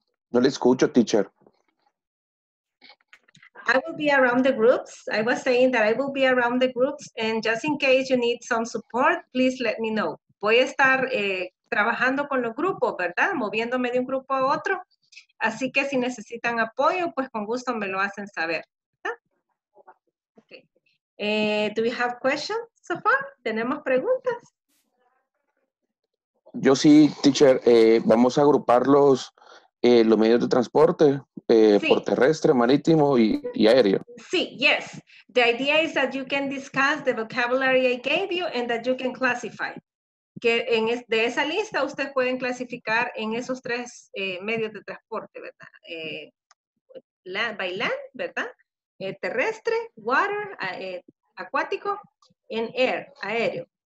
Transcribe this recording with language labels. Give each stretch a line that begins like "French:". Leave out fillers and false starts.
Spanish: No le escucho, teacher.
English: I will be around the groups. I was saying that I will be around the groups, and just in case you need some support, please let me know.
Spanish: Voy a estar trabajando con los grupos, ¿verdad? Moviéndome de un grupo a otro. Así que si necesitan apoyo, pues con gusto me lo hacen saber.
English: Do we have questions so far?
Spanish: ¿Tenemos preguntas? Yo sí, teacher. Vamos a agrupar los medios de transporte sí. Por terrestre, marítimo y aéreo. Sí, yes.
English: The idea is that you can discuss the vocabulary I gave you and that you can classify.
Spanish: Que en de esa lista ustedes pueden clasificar en esos tres medios de transporte, ¿verdad?
English: By land, ¿verdad? Terrestre, water, acuático, and air, aéreo.